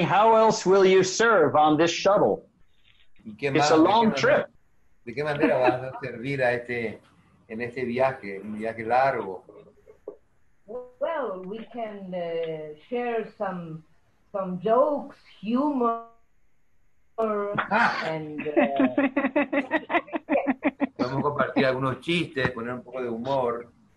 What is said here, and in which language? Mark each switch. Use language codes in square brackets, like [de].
[en] How else will you serve on this shuttle? It's a long trip. [es] ¿De qué manera vas a servir a este... en este viaje, un viaje largo? [en] well, we can share some jokes, humor, and [es] vamos a compartir algunos chistes, poner un poco de humor.